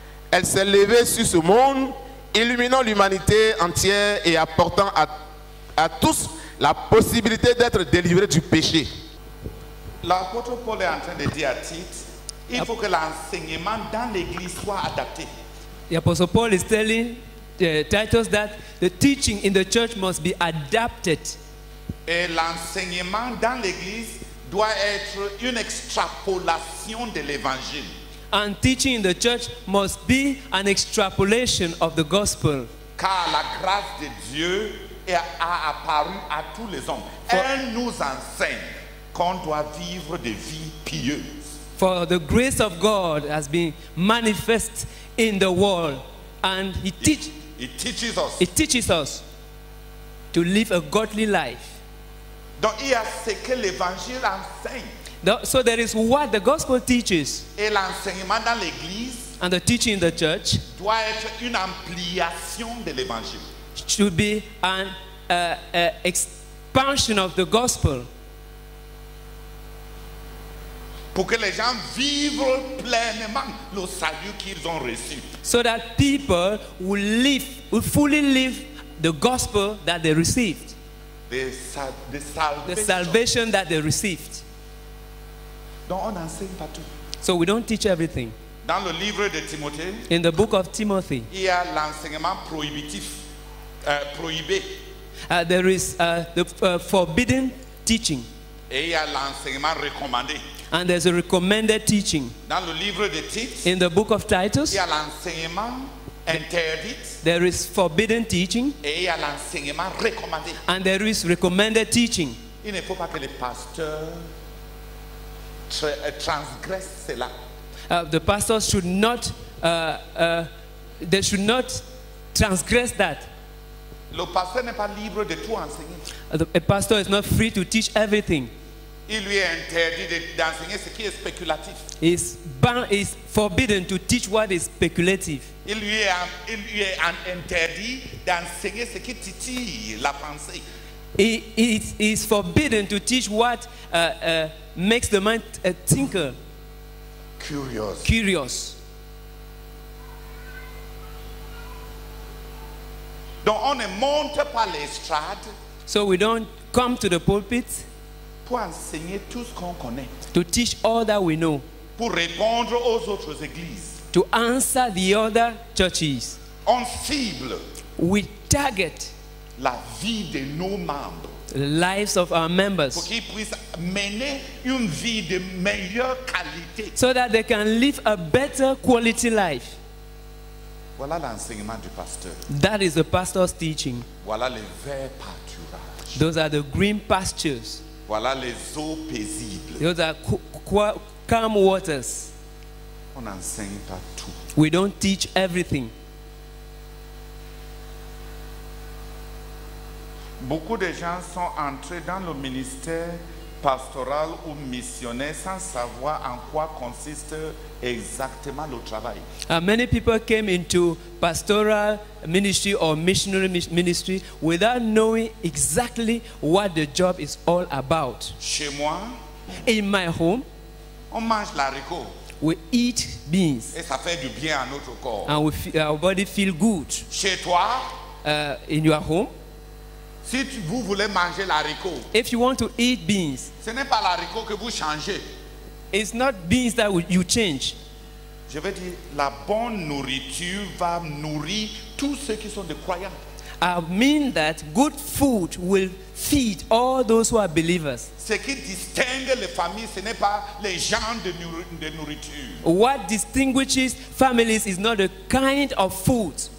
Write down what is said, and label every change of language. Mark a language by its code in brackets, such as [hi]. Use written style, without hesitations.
[fr] Elle s'est levée sur ce monde, illuminant l'humanité entière et apportant à tous la possibilité d'être délivrés du péché. L'apôtre Paul est en train de dire à Tite, il faut que l'enseignement dans l'église soit adapté. L'apôtre Paul est [en] telling Titus that the teaching in the church must be adapted. [fr] Et l'enseignement dans l'église doit être une extrapolation de l'évangile. [en] And teaching in the church must be an extrapolation of the gospel. [fr] Car la grâce de Dieu est apparue à tous les hommes. Elle nous enseigne qu'on doit vivre des vies pieuses. [en] For the grace of God has been manifest in the world, and it teaches us to live a godly life. [fr] Donc il y a ce que l'évangile enseigne. [en] So there is what the gospel teaches. [fr] Et l'enseignement dans l'église, [en] and the teaching in the church, [fr] doit être une ampliation de l'évangile. [en] Should be an expansion of the gospel. [fr] Pour que les gens vivent pleinement le salut qu'ils ont reçu. [en] So that people will fully live the gospel that they received. The salvation that they received. [fr] Donc on enseigne pas tout. [en] So we don't teach everything. [fr] Dans le livre de Timothée, [en] in the book of Timothy, [fr] il y a l'enseignement prohibitif, prohibé. [en] There is forbidden teaching. [fr] Et il y a l'enseignement recommandé. [en] And there's a recommended teaching. [fr] Dans le livre de Tite, [en] in the book of Titus, [fr] il y a l'enseignement interdit. [en] There is forbidden teaching. [fr] Et il y a l'enseignement recommandé. [en] And there is recommended teaching. [fr] Il ne faut pas que les pasteurs transgressent cela. [en] The pastors should not, they should not transgress that. [fr] Le pasteur n'est pas libre de tout enseigner. [en] A pastor is not free to teach everything. [fr] Il lui est interdit d'enseigner ce qui est spéculatif. [en] Is forbidden to teach what is speculative. [fr] Il lui est interdit d'enseigner ce qui titille la pensée. [en] It is forbidden to teach what makes the mind a thinker. Curious. [fr] Donc on ne monte pas l'estrade. [en] So we don't come to the pulpit. [fr] Pour enseigner tout ce qu'on connaît. [en] To teach all that we know. [fr] Pour répondre aux autres églises. [en] To answer the other churches. [fr] On cible. [en] We target. [fr] La vie de nos membres. [en] The lives of our members. [fr] Pour qu'ils puissent mener une vie de meilleure qualité. [en] So that they can live a better quality life. [fr] Voilà l'enseignement du pasteur. [en] That is the pastor's teaching. [fr] Voilà les verts pâturages. [en] Those are the green pastures. [fr] Voilà les eaux paisibles. [en] Those are calm waters. [fr] On n'enseigne pas tout. [en] We don't teach everything. [fr] Beaucoup de gens sont entrés dans le ministère pastoral ou missionnaire sans savoir en quoi consiste exactement le travail. [en] Many people came into pastoral ministry or missionary ministry without knowing exactly what the job is all about. [fr] Chez moi, [en] in my home, [fr] on mange l'haricot. [en] We eat beans. [fr] Et ça fait du bien à notre corps. [en] And our body feel good. [fr] Chez toi, [en] in your home. [fr] Si vous voulez manger l'haricot, [en] if you want to eat beans, [fr] ce n'est pas l'haricot que vous changez. [en] It's not beans that you change. [fr] Je veux dire, la bonne nourriture va nourrir tous ceux qui sont des croyants. [en] I mean that good food will feed all those who are believers. [fr] Ce qui distingue les familles, ce n'est pas les gens de nourriture. [en] What distinguishes families is not the kind of food.